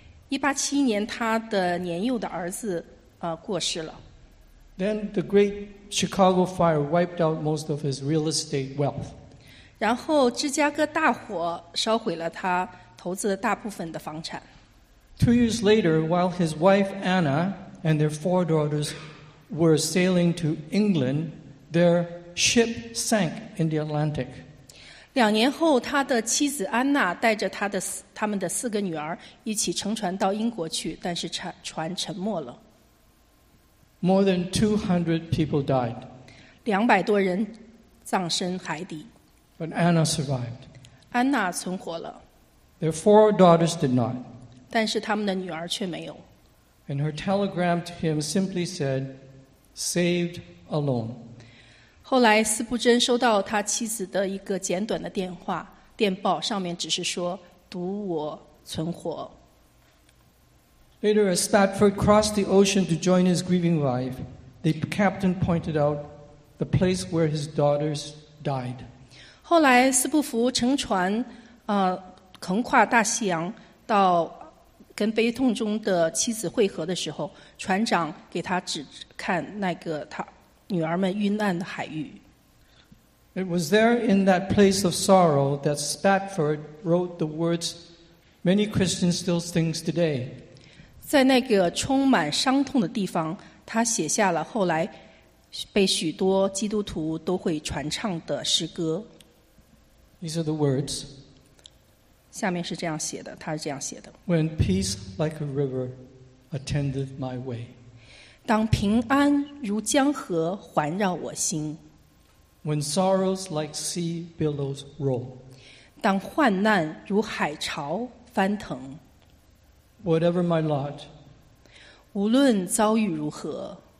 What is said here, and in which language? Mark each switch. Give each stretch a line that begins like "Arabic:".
Chinese: 1871年，他的年幼的儿子过世了。
English: Then the Great Chicago Fire wiped out most of his real estate wealth.
Chinese: 然后芝加哥大火烧毁了他投资的大部分的房产。
English: 2 years later, while his wife Anna and their 4 daughters were sailing to England, their ship sank in the Atlantic.
Chinese: 2年后，他的妻子安娜带着他们的四个女儿一起乘船到英国去，但是船沉没了。
English: More than 200 people died.
Chinese: 200多人葬身海底。
English: But Anna survived.
Chinese: 安娜存活了。
English: Their 4 daughters did not.
Chinese: 但是他们的女儿却没有。
English: And her telegram to him simply said,Saved alone.
Chinese: 后来斯布珍收到他妻子的一个简短的电报，上面只是说独我存活。
English: Later, as Spafford crossed the ocean to join his grieving wife, the captain pointed out the place where his daughters died.
Chinese: 后来斯布福乘船，横跨大西洋到跟悲痛中的妻子会合的时候，船长给他指看那个他女儿们遇难的海域。
English: It was there in that place of sorrow that Spafford wrote the words many Christians still sing today.
Chinese: 在那个充满伤痛的地方，他写下了后来被许多基督徒都会传唱的诗歌。
English: These are the words.
Chinese: 下面是这样写的，他是这样写的。
English: When peace like a river attendeth my way.
Chinese: 当平安如江河环绕我心。
English: When sorrows like sea billows roll.
Chinese: 当患难如海潮翻腾。
English: Whatever my lot.
Chinese: 无论遭遇如何。